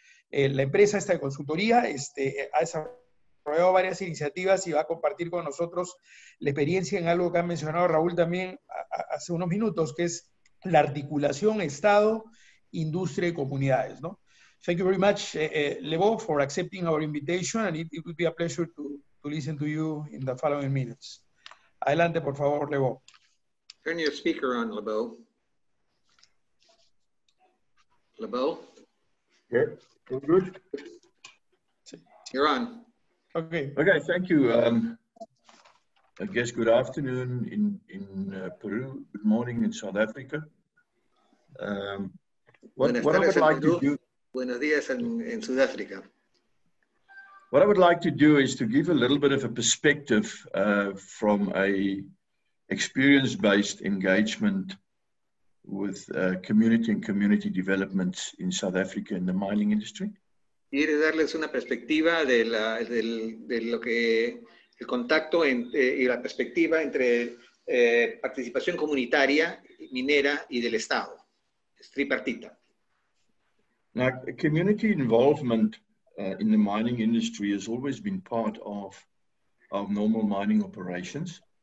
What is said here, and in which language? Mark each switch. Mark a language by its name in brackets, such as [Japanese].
[Spanish] La empresa esta de consultoría ha desarrollado varias iniciativas y va a compartir con nosotros la experiencia en algo que ha mencionado Raúl también hace unos minutos, que es la articulación Estado, industria y comunidades, ¿no? [English] Thank you very much, Levo, for accepting our invitation and it would be a pleasure to listen to you in the following minutes. [Spanish] Adelante, por favor, Levo. [English] Turn your speaker on, Levo. Levo? Yeah, all good? You're on. Okay, thank you. I guess good afternoon in Peru, good morning in South Africa. What I would like to do... [Spanish] Buenos días en Sudáfrica. [English] What I would like to do is to give a little bit of a perspective from a experience-based engagement with community and community developments in South Africa in the mining industry. [Spanish] Quiero darles una perspectiva de lo que el contacto y la perspectiva entre participación comunitaria minera y del Estado. Es tripartita. [English] Now, community involvement in the mining industry has always been part of our normal mining operations.